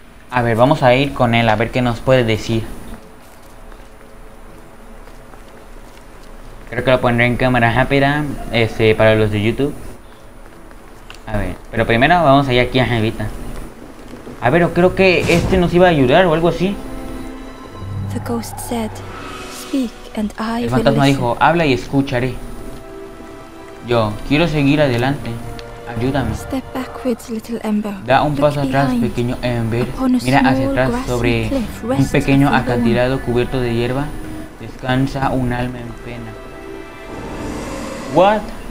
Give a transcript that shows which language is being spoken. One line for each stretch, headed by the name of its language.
Spanish: A ver, vamos a ir con él a ver qué nos puede decir. Creo que lo pondré en cámara rápida, para los de YouTube. A ver, pero primero vamos a ir aquí a Jevita. A ver, creo que este nos iba a ayudar o algo así.
English: The ghost said, "Speak, and I will listen."
Spanish: El fantasma dijo, "Habla y escucharé." Yo quiero seguir adelante. Ayúdame.
English: Step backwards, little Ember.
Spanish: Da un paso atrás, pequeño Ember. Mira hacia atrás sobre un pequeño acantilado cubierto de hierba. Descansa un alma en pena.
English: What?